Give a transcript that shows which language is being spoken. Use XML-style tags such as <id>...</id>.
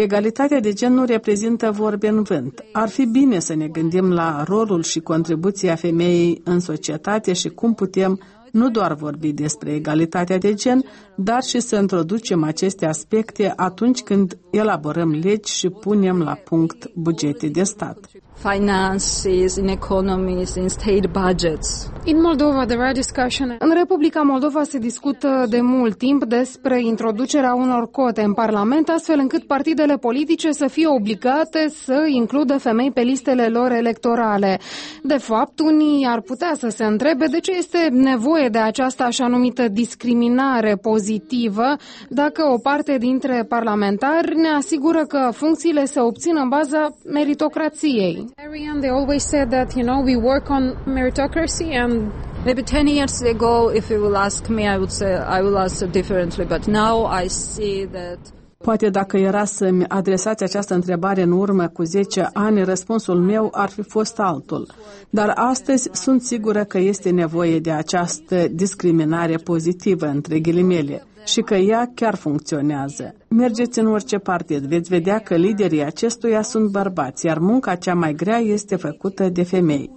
<ro>Egalitatea de gen nu reprezintă vorbe în vânt. Ar fi bine să ne gândim la rolul și contribuția femeii în societate și cum putem nu doar vorbi despre egalitatea de gen, dar și să introducem aceste aspecte atunci când elaborăm legi și punem la punct bugete de stat.</ro> <en>Finances, in economies, in state budgets. In Moldova, there are discussion.</en> <ro>În Republica Moldova se discută de mult timp despre introducerea unor cote în Parlament, astfel încât partidele politice să fie obligate să includă femei pe listele lor electorale. De fapt, unii ar putea să se întrebe de ce este nevoie de această așa numită discriminare pozitivă, dacă o parte dintre parlamentari ne asigură că funcțiile se obțin în baza meritocrației.</ro> <en>They always said that, you know, we work on meritocracy and maybe 10 years ago if you will ask me I would say I will answer differently, but now I see that.</en> <ro>Poate dacă era să-mi adresați această întrebare în urmă cu 10 ani, răspunsul meu ar fi fost altul. Dar astăzi sunt sigură că este nevoie de această discriminare pozitivă între ghilimele. și că ea chiar funcționează. Mergeți în orice partid, veți vedea că liderii acestuia sunt bărbați, iar munca cea mai grea este făcută de femei.</ro>